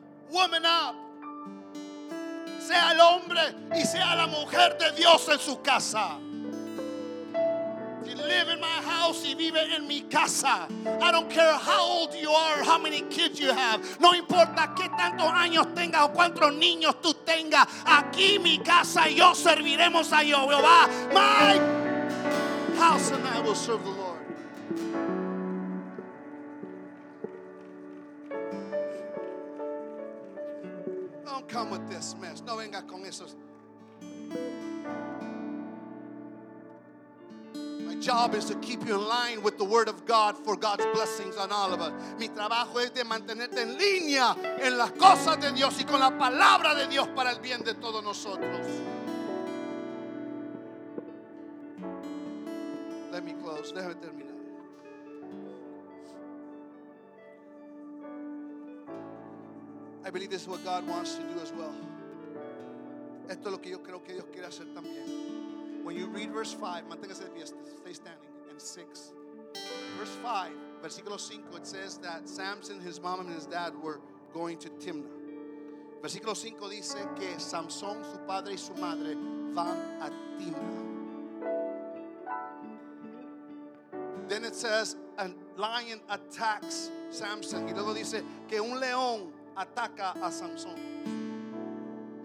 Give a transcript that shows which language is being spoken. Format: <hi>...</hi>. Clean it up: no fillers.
<en>Woman up.</en> <es>Sea el hombre y sea la mujer de Dios en su casa.</es> <en>You live in my house</en> <es>y vive en mi casa.</es> <en>I don't care how old you are, how many kids you have.</en> <es>No importa qué tantos años tengas o cuántos niños tú tengas. Aquí mi casa y yo serviremos a Jehová.</es> <en>My house and I will serve the Lord. come with this mess.</en> <es>No venga con esos.</es> <en>My job is to keep you in line with the word of God for God's blessings on all of us.</en> <es>Mi trabajo es de mantenerte en línea en las cosas de Dios y con la palabra de Dios para el bien de todos nosotros.</es> <en>Let me close.</en> <es>Déjame terminar.</es> <en>I believe this is what God wants to do as well.</en> <es>Esto es lo que yo creo que Dios quiere hacer también.</es> <en>When you read verse 5,</en> <es>manténgase de pie,</es> <en>stay standing, and 6. Verse 5,</en> <es>versículo 5,</es> <en>it says that Samson, his mom and his dad were going to Timnah.</en> <es>Versículo 5 dice que Samson, su padre y su madre van a Timnah.</es> <en>Then it says a lion attacks Samson.</en> <es>Y luego dice que un león ataca a Samson.</es>